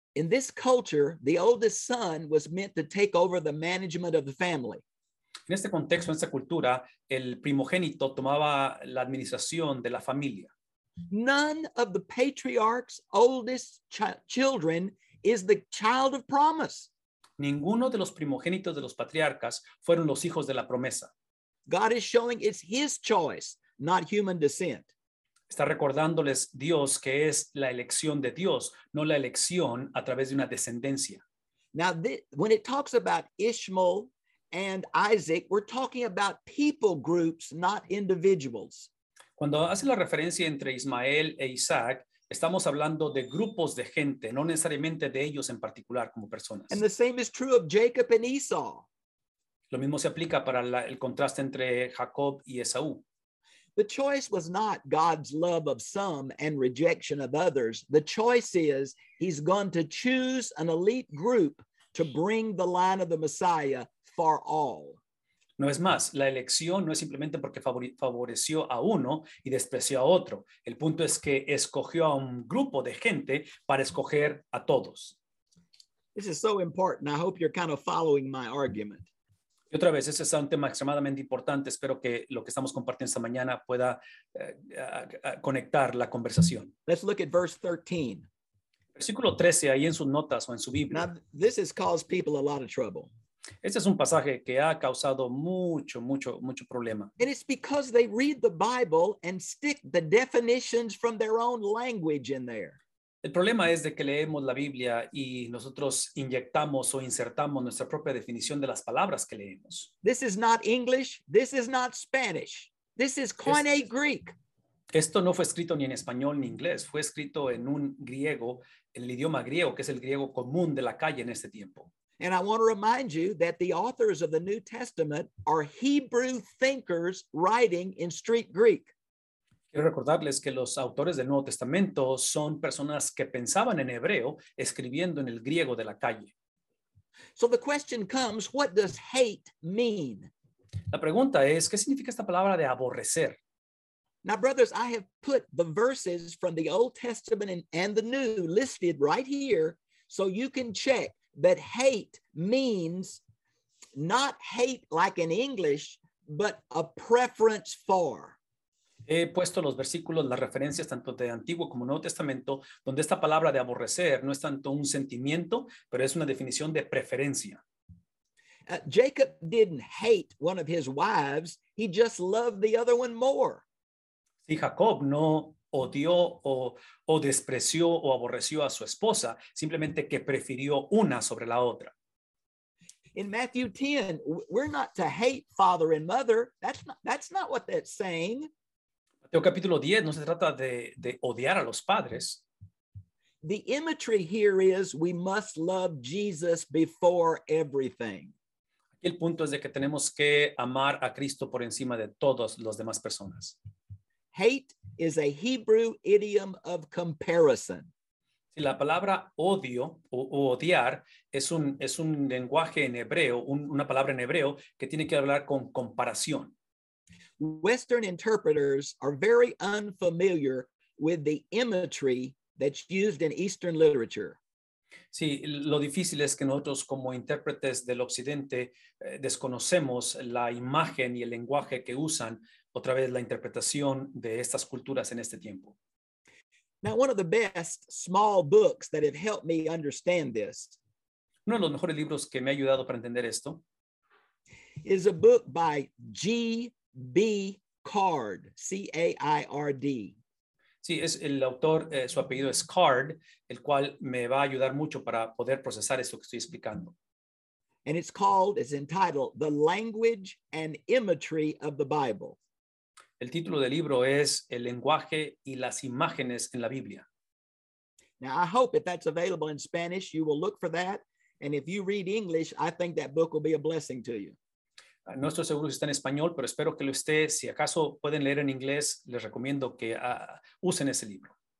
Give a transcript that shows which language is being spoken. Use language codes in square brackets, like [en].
[en] In this culture, the oldest son was meant to take over the management of the family. [es] En este contexto, en esta cultura, el primogénito tomaba la administración de la familia. [en] None of the patriarch's oldest children is the child of promise. [es] Ninguno de los primogénitos de los patriarcas fueron los hijos de la promesa. [en] God is showing it's his choice, not human descent. [es] Está recordándoles Dios que es la elección de Dios, no la elección a través de una descendencia. [en] Now, when it talks about Ishmael and Isaac, we're talking about people groups, not individuals. [es] Cuando hace la referencia entre Ismael e Isaac, estamos hablando de grupos de gente, no necesariamente de ellos en particular como personas. [en] And the same is true of Jacob and Esau. [es] Lo mismo se aplica para el contraste entre Jacob y Esaú. [en] The choice was not God's love of some and rejection of others. The choice is he's going to choose an elite group to bring the line of the Messiah for all. [es] No es más, la elección no es simplemente porque favoreció a uno y despreció a otro. El punto es que escogió a un grupo de gente para escoger a todos. [en] This is so important. I hope you're kind of following my argument. [es] Y otra vez, ese es un tema extremadamente importante. Espero que lo que estamos compartiendo esta mañana pueda conectar la conversación. [en] Let's look at verse 13. [es] Versículo 13, ahí en sus notas o en su Biblia. [en] Now, this has caused people a lot of trouble. [es] Este es un pasaje que ha causado mucho, mucho, mucho problema. [en] And it's because they read the Bible and stick the definitions from their own language in there. [es] El problema es de que leemos la Biblia y nosotros inyectamos o insertamos nuestra propia definición de las palabras que leemos. [en] This is not English. This is not Spanish. This is Koine Greek. [es] Esto no fue escrito ni en español ni en inglés. Fue escrito en un griego, en el idioma griego, que es el griego común de la calle en este tiempo. [en] And I want to remind you that the authors of the New Testament are Hebrew thinkers writing in street Greek. [es] Quiero recordarles que los autores del Nuevo Testamento son personas que pensaban en hebreo, escribiendo en el griego de la calle. [en] So the question comes, what does hate mean? [es] La pregunta es, ¿qué significa esta palabra de aborrecer? [en] Now, brothers, I have put the verses from the Old Testament and the New listed right here so you can check that hate means not hate like in English, but a preference for. [es] He puesto los versículos, las referencias tanto de Antiguo como Nuevo Testamento, donde esta palabra de aborrecer no es tanto un sentimiento, pero es una definición de preferencia. [en] Jacob didn't hate one of his wives, he just loved the other one more. [es] Si Jacob no odió o despreció o aborreció a su esposa, simplemente que prefirió una sobre la otra. [en] In Matthew 10, we're not to hate father and mother. That's not what that's saying. [es] Mateo capítulo 10, no se trata de odiar a los padres. [en] The imagery here is we must love Jesus before everything. [es] Aquí el punto es de que tenemos que amar a Cristo por encima de todas las demás personas. [en] Hate is a Hebrew idiom of comparison. [es] Si la palabra odio o odiar es un lenguaje en hebreo, una palabra en hebreo que tiene que hablar con comparación. [en] Western interpreters are very unfamiliar with the imagery that's used in Eastern literature. [es] Sí, lo difícil es que nosotros como intérpretes del occidente desconocemos la imagen y el lenguaje que usan, otra vez la interpretación de estas culturas en este tiempo. [en] Now, one of the best small books that have helped me understand this. [es] Uno de los mejores libros que me ha ayudado para entender esto [en] is a book by G.B. Card, C-A-I-R-D. [es] Sí, es el autor, su apellido es Card, el cual me va a ayudar mucho para poder procesar esto que estoy explicando. [en] And it's called, it's entitled, The Language and Imagery of the Bible. [es] El título del libro es El lenguaje y las imágenes en la Biblia. [en] Now, I hope if that's available in Spanish, you will look for that. And if you read English, I think that book will be a blessing to you. [es] No estoy seguro si está en español, pero espero que lo esté. Si acaso pueden leer en inglés, les recomiendo que usen ese libro.